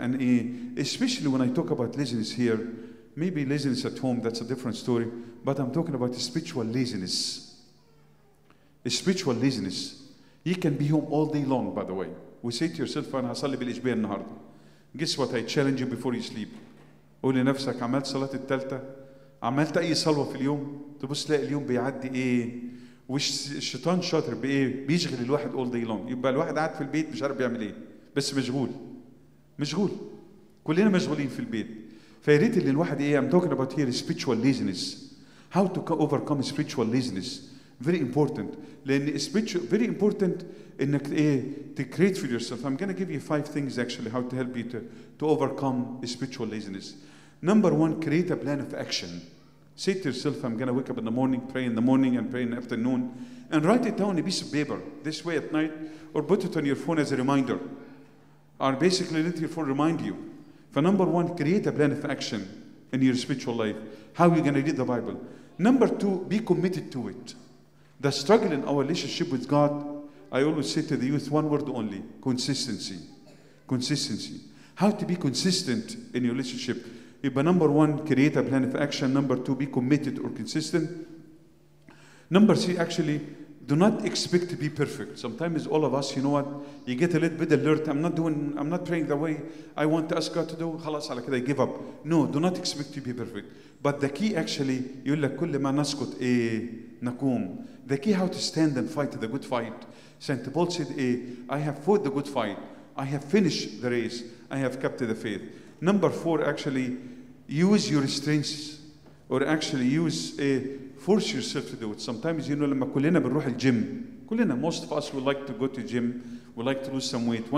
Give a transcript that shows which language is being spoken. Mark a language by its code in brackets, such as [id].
[en] And especially when I talk about laziness here, maybe laziness at home, that's a different story. But I'm talking about spiritual laziness. Spiritual laziness. You can be home all day long, by the way. We say to yourself, guess what? I challenge you before you sleep. [ar] قولي نفسك عملت صلاة التالتة عملت أي صلوة في اليوم تبص لقى اليوم بيعدي إيه وش الشيطان شاطر بإيه بيشغل الواحد [en] all day long [ar] يبقى الواحد قاعد في البيت مش عارف بيعمل إيه بس مشغول كلنا مشغولين في البيت فياريت اللي الواحد إيه [en] I'm talking about here spiritual laziness how to overcome spiritual laziness very important [ar] لأن [en] spiritual very important [ar] إنك إيه [en] to create for yourself. I'm going to give you five things actually how to help you to overcome spiritual laziness. Number one, create a plan of action. Say to yourself, I'm going to wake up in the morning, pray in the morning and pray in the afternoon, and write it down on a piece of paper this way at night, or put it on your phone as a reminder, or basically let your phone remind you. For number one, create a plan of action in your spiritual life. How are you going to read the Bible? Number two, be committed to it. The struggle in our relationship with God, I always say to the youth one word only, consistency. Consistency. How to be consistent in your relationship. But number one, create a plan of action. Number two, be committed or consistent. Number three, actually, Do not expect to be perfect. Sometimes all of us, you know what, you get a little bit alert. I'm not praying the way I want to ask God to do. [ar] خلاص على كده, [en] I give up. No, do not expect to be perfect. But the key actually, [ar] يقول لك كل ما نسكت نقوم. [en] The key how to stand and fight the good fight. Saint Paul said, I have fought the good fight. I have finished the race. I have kept the faith. Number four, actually, use your strengths. Or actually use a force yourself to do it. Sometimes, you know, [ar] لما كلنا بنروح الجيم, كلنا, [en] most of us would like to go to gym, would like to lose some weight.